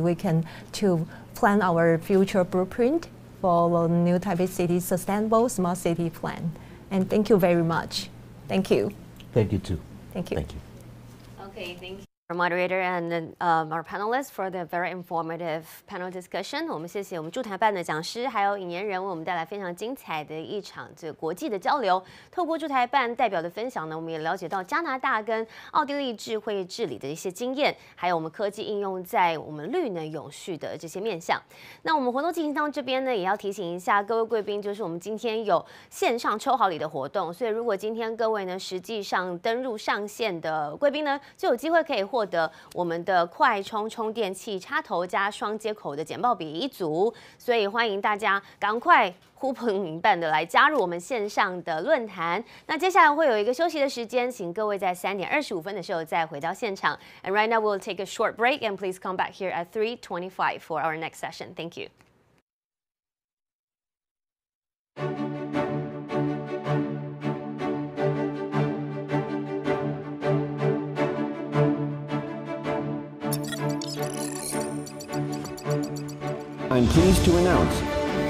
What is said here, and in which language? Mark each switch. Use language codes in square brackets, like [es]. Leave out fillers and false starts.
[en] We can to plan our future blueprint for the New Taipei City Sustainable Smart City Plan. And thank you very much. Thank you. Thank you too. Thank you. Thank you. Okay, thank you, our moderator and our panelists for the very informative panel discussion. [zh] 我们谢谢我们驻台办的讲师还有引言人，为我们带来非常精彩的一场这个国际的交流。透过驻台办代表的分享呢，我们也了解到加拿大跟奥地利智慧治理的一些经验，还有我们科技应用在我们绿能永续的这些面向。那我们活动进行到这边呢，也要提醒一下各位贵宾，就是我们今天有线上抽好礼的活动，所以如果今天各位呢实际上登入上线的贵宾呢，就有机会可以获得我们的快充充电器插头加双接口的简报笔一组，所以欢迎大家赶快呼朋引伴的来加入我们线上的论坛。那接下来会有一个休息的时间，请各位在3:25的时候再回到现场。 [en] And right now we'll take a short break and please come back here at 3:25 for our next session. Thank you. I'm pleased to announce